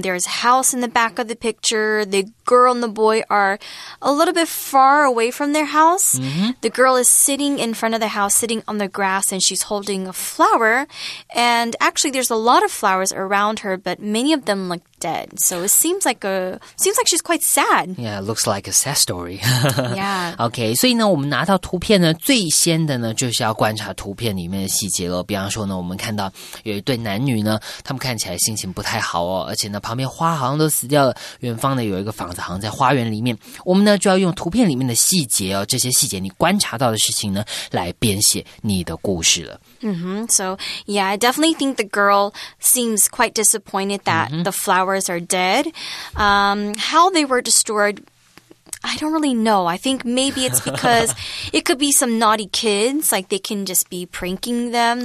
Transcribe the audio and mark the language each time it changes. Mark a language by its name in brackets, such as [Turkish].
[English] There's a house in the back of the picture. The girl and the boy are a little bit far away from their house. Mm-hmm. The girl is sitting in front of the house, sitting on the grass, and she's holding a flower. And actually, there's a lot of flowers around her, but many of them look dead. So it seems like she's quite sad. Yeah, it looks like a sad story. Yeah. [Chinese] Okay, 所以呢，我们拿到图片呢，最先的呢，就是要观察图片里面的细节了。比方说呢，我们看到有一对男女呢，他们看起来心情不太好哦，而且呢，旁边花好像都死掉了，远方呢有一个房子好像在花园里面。我们呢就要用图片里面的细节哦，这些细节你观察到的事情呢，来编写你的故事了。 Mm-hmm. [English] So, yeah, I definitely think the girl seems quite disappointed that mm-hmm. the flowers are dead. How they were destroyed, I don't really know. I think maybe it's because it could be some naughty kids, like they can just be pranking them.